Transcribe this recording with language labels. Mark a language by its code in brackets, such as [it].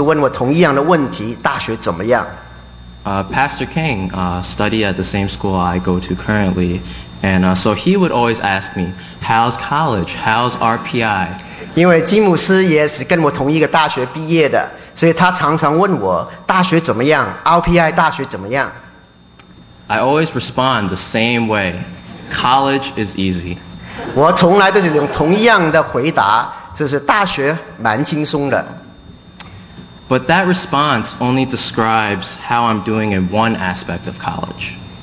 [zh] 每一个人总是问我同样的问题,大学怎么样? [en] Pastor King studied at the same school I go to currently, and so he would always ask me, how's college? How's RPI? [zh] 因为金姆斯也是跟我同一个大学毕业的，所以他常常问我大学怎么样, RPI大学怎么样? [en] I always respond the same way, college is easy. [zh] 我从来都是用同样的回答，就是大学蛮轻松的。 [en] But that response only describes how I'm doing in one aspect of college.